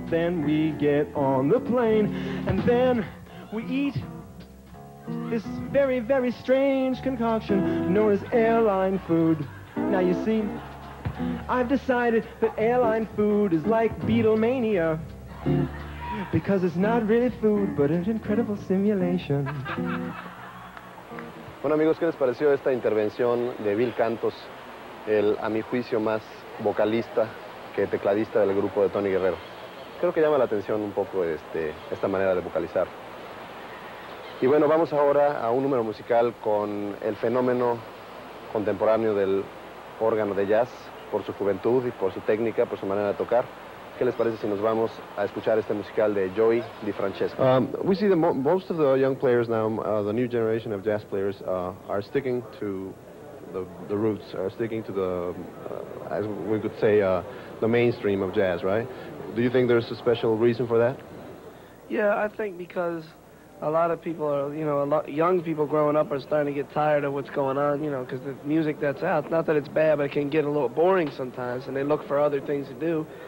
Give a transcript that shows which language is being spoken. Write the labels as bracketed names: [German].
[English] Then we get on the plane, and then we eat this very, very strange concoction known as airline food. Now you see, I've decided that airline food is like Beatlemania, because it's not really food, but an incredible simulation. [Spanish] Bueno amigos, ¿qué les pareció esta intervención de Bill Cantos, el a mi juicio más vocalista que tecladista del grupo de Tony Guerrero? Creo que llama la atención un poco esta manera de vocalizar. Y bueno, vamos ahora a un número musical con el fenómeno contemporáneo del órgano de jazz, por su juventud y por su técnica, por su manera de tocar. ¿Qué les parece si nos vamos a escuchar este musical de Joey DeFrancesco? [English] We see that most of the young players now, the new generation of jazz players, are sticking to the roots, are sticking to the, as we could say, the mainstream of jazz, right? Do you think there's a special reason for that? Yeah, I think because a lot of people are, you know, a lot young people growing up are starting to get tired of what's going on, you know, because the music that's out, not that it's bad, but it can get a little boring sometimes, and they look for other things to do.